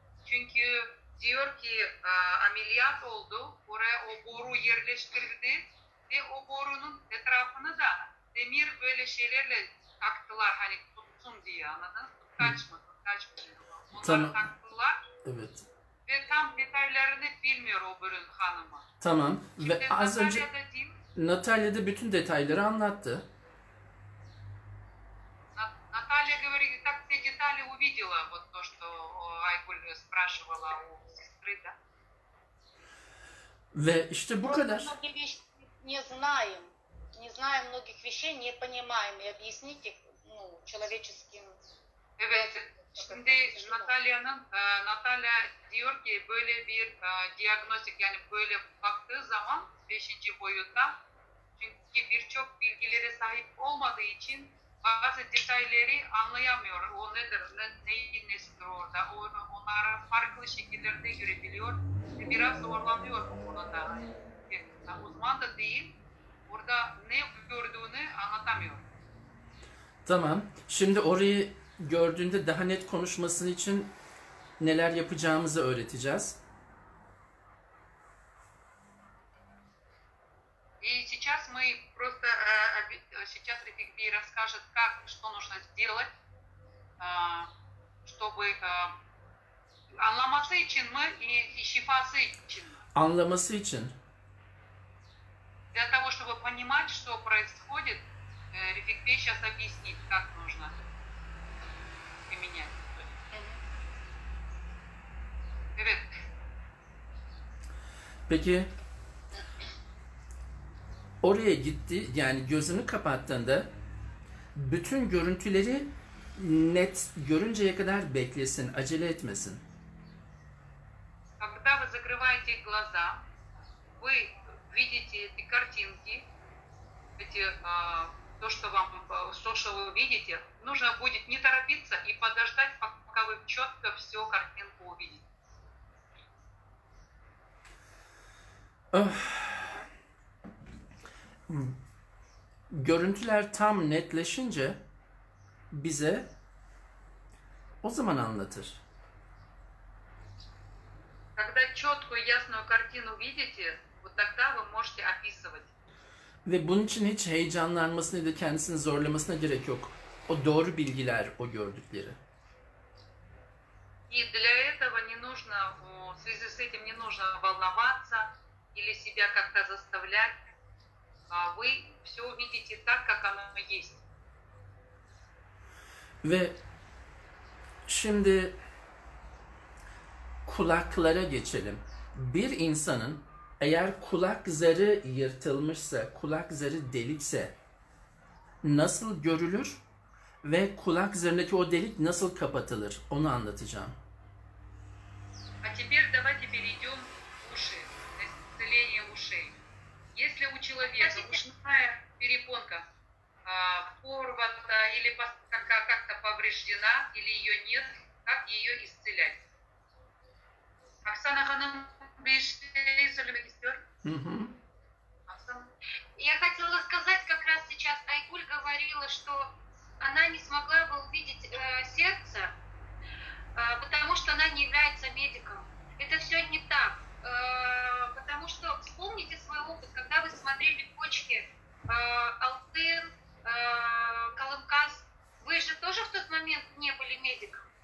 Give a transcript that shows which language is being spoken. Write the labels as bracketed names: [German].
[Turkish] Çünkü diyor ki ameliyat oldu, oraya o boru yerleştirdi ve o borunun etrafını da demir böyle şeylerle taktılar. Hani tutsun diye, anladınız mı? Kaç mı? Tamam. Taktılar. Evet. Ve tam detaylarını bilmiyor o borun hanımı. Tamam. Şimdi ve az önce... Diyeyim, Natalya da bütün detayları anlattı. [Russian] Natalya говорит, так все детали увидела, вот то, что Айгуль спрашивала у сестры, да? [Turkish] Ve işte bu kadar. [Russian] Многие вещи не знаем. Не знаем многих вещей, не понимаем. И объяснить их, ну, человеческим... [Turkish] Evet, şimdi Natalya'nın, Natalya diyor ki, böyle bir diagnostik, yani böyle baktığı zaman, 5. boyutta, çünkü birçok bilgilere sahip olmadığı için bazı detayları anlayamıyor. O nedir, neyin nesidir orada, onlara farklı şekillerde görebiliyor. Biraz zorlanıyor bu konuda. Uzman da değil, orada ne gördüğünü anlatamıyor. Tamam, şimdi orayı gördüğünde daha net konuşmasını için neler yapacağımızı öğreteceğiz. [Russian] Сейчас мы просто сейчас Рефик Бей расскажет, как, что нужно сделать, чтобы [Turkish] anlaması için [Russian] мы и [Turkish] şifası için. Anlaması için. [Russian] Для того, чтобы понимать, что происходит, Рефик Бей сейчас объяснит, как нужно применять. [Turkish] Evet. Peki. Oraya gitti, yani gözünü kapattığında bütün görüntüleri net görünceye kadar beklesin, acele etmesin. [Russian] Когда вы закрываете глаза, вы видите эти картинки, эти то, что вам то, что вы видите, нужно будет не торопиться и подождать, пока вы четко всю картинку увидите. [Turkish] Görüntüler tam netleşince bize o zaman anlatır. [Russian] Когда четкую ясную картину видите, вот тогда вы можете описывать. [Turkish] Ve bunun için hiç heyecanlanmasına da kendisini zorlamasına gerek yok. O doğru bilgiler, o gördükleri. [Russian] И для этого не нужно, в связи с этим не нужно волноваться или себя как-то заставлять. Вы все видите так, как оно есть. [Turkish] Ve şimdi kulaklara geçelim. Bir insanın eğer kulak zarı yırtılmışsa, kulak zarı delikse nasıl görülür ve kulak zarındaki o delik nasıl kapatılır? Onu anlatacağım. [Russian] А теперь давайте перейдем в уши. Исцеление ушей. Если у человека ушная перепонка порвана или как-то повреждена, или ее нет, как ее исцелять? [Turkish] Оксана ханым, bir şey söylemek istiyorum. [English] Awesome. [Russian] Я хотела сказать, как раз сейчас Айгуль говорила, что она не смогла бы увидеть сердце, потому что она не является медиком. Это все не так. Потому что вспомните свой опыт, когда вы смотрели почки Алтын, Калымказ, вы же тоже в тот момент не были медиком.